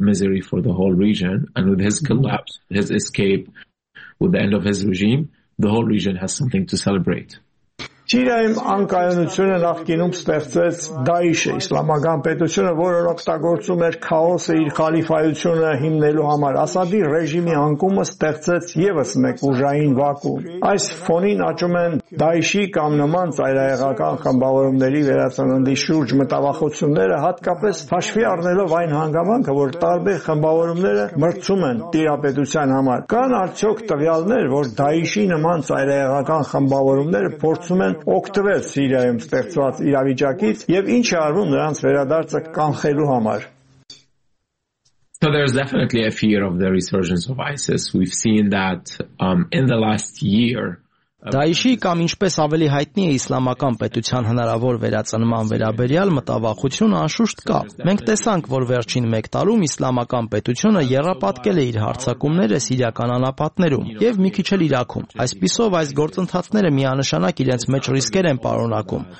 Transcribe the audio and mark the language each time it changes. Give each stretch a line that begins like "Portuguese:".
English: Region and with his collapse, his escape, with the end of his regime, the whole region has something to celebrate.
Armenian: Չիրայում անկայունությունը նախկինում ստեղծեց Դայիշը, իսլամական պետությունը, որը օգտագործում էր քաոսը իր խալիֆայությունը հիմնելու համար։ Ասադի ռեժիմի անկումը ստեղծեց ևս մեկ ուժային վակուում։ Այս ֆոնին աճում են Դայիշի կամ նման ծայրահեղական խմբավորումների վերածննդի շուրջ մտավախությունները, հատկապես հաշվի առնելով այն հանգամանքը, որ տարբեր խմբավորումները մրցում են տիրապետության համար։ Կան արդյոք տվյալներ, որ Դայիշի նման ծայրահեղական խմբավորումները փորձում են օգտվել Սիրիայում ստեղծված իրավիճակից և ինչ է արվում նրանց վերադարձը կանխելու համար։
English: So there's definitely a fear of the resurgence of ISIS. We've seen that in the last year.
Armenian: Դայիշի կամ ինչպես ավելի հայտնի է իսլամական պետության հնարավոր վերածնման վերաբերյալ մտավախություն անշուշտ կա։ Մենք տեսանք, որ վերջին մեկ տարում իսլամական պետությունը եռապատկել է իր հարձակումները Սիրիական անապատներում եւ մի քիչ էլ Իրաքում։ Այսպիսով այս գործընթացները միանշանակ իրենց մեջ ռիսկեր են պարունակում,